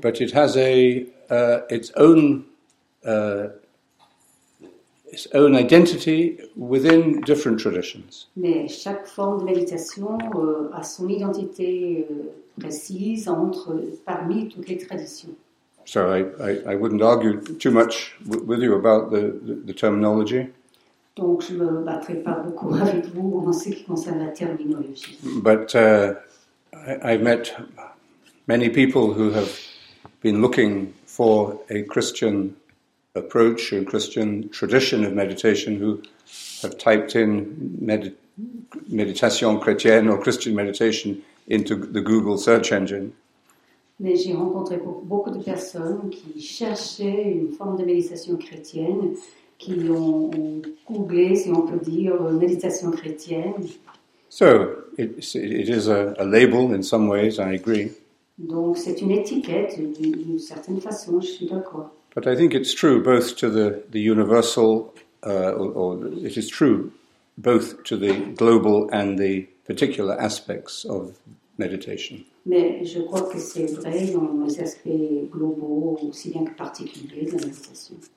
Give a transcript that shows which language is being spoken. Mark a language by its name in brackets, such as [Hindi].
[English] But it has its own identity within different traditions. [French] Mais chaque forme de méditation a son identité précise entre parmi toutes les traditions. [English] So I wouldn't argue too much with you about the terminology. [French] Donc je me battrai pas beaucoup avec vous en ce qui concerne la terminologie. [English] But I've met many people who have been looking for a Christian approach, a Christian tradition of meditation, who have typed in méditation chrétienne or Christian meditation into the Google search engine. [French] Mais j'ai rencontré beaucoup de personnes qui cherchaient une forme de méditation chrétienne, qui ont googlé, si on peut dire, méditation chrétienne. [English] So, it is a label in some ways, I agree. [French] Donc c'est une étiquette d'une certaine façon, je suis d'accord. [English] But I think it's true both to the universal, or it is true both to the global and the particular aspects of meditation. [French] Mais je crois que c'est vrai dans les aspects globaux aussi bien que particuliers de la méditation.